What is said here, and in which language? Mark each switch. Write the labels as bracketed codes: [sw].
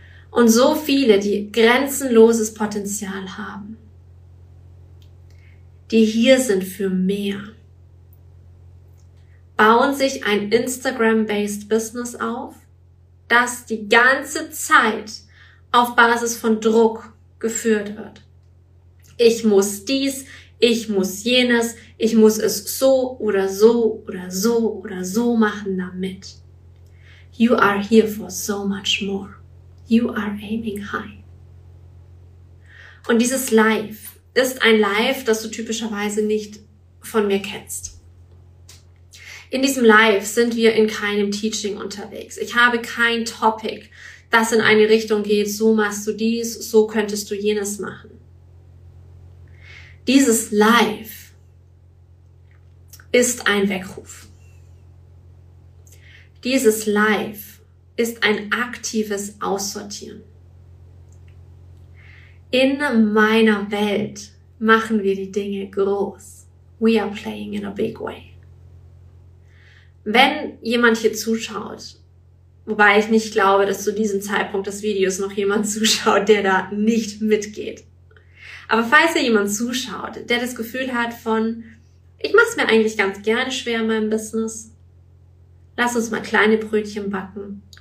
[de] Und so viele, die grenzenloses Potenzial haben, die hier sind für mehr, bauen sich ein Instagram-based Business auf, das die ganze Zeit auf Basis von Druck geführt wird. Ich muss dies, ich muss jenes, ich muss es so oder so oder so oder so machen damit. [en] You are here for so much more. You are aiming high. [de] Und dieses Life ist ein Life, das du typischerweise nicht von mir kennst. In diesem Life sind wir in keinem Teaching unterwegs. Ich habe kein Topic, das in eine Richtung geht, so machst du dies, so könntest du jenes machen. Dieses Life ist ein Weckruf. Dieses Life ist ein aktives Aussortieren. In meiner Welt machen wir die Dinge groß. [en] We are playing in a big way. [de] Wenn jemand hier zuschaut, wobei ich nicht glaube, dass zu diesem Zeitpunkt des Videos noch jemand zuschaut, der da nicht mitgeht. Aber falls hier jemand zuschaut, der das Gefühl hat von, Ich mache es mir eigentlich ganz gerne schwer in meinem Business. Lass uns mal kleine Brötchen backen.